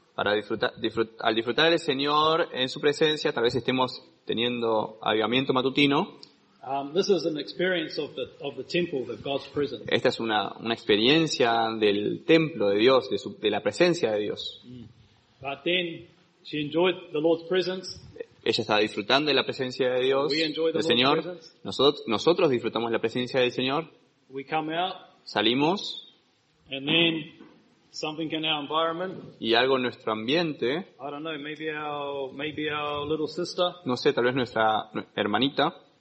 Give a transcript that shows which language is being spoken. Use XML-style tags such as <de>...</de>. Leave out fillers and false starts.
<es>Para disfrutar del Señor en su presencia, tal vez estemos teniendo avivamiento matutino.</es> <en>This is an experience of the temple, of God's presence.</en> <es>Esta es una experiencia del templo de Dios, de la presencia de Dios. Mm.</es> <en>But then she enjoyed the Lord's presence.</en> <es>Ella estaba disfrutando de la presencia de Dios, del Señor. Nosotros disfrutamos la presencia del Señor.</es> <en>We come out,</en> <es>salimos.</es> <en>And then something in our environment.</en> <es>Y algo en nuestro ambiente.</es> <en>I don't know, maybe our little sister.</en> <es>No sé, tal vez nuestra hermanita.</es>